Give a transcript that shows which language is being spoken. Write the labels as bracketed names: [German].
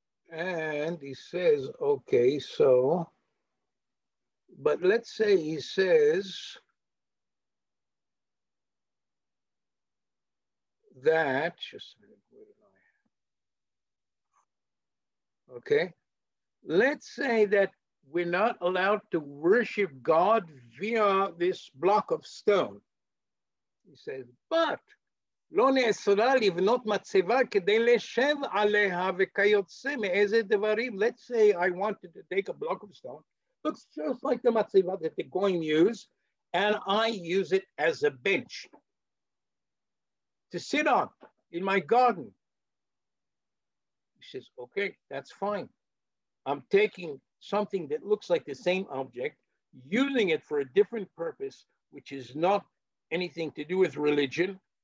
[English] And he says, okay, so, but let's say he says that, just a minute, where did I? Okay, let's say that we're not allowed to worship God via this block of stone. He says, but [Hebrew] לא נאסרה לבנות מצבה כדי לשב עליה וכיוצא מאיזה דברים. [English] Let's say I wanted to take a block of stone. Looks just like the מצבה that the goyim use, and I use it as a bench to sit on in my garden. He says, okay, that's fine. I'm taking something that looks like the same object, using it for a different purpose, which is not anything to do with religion.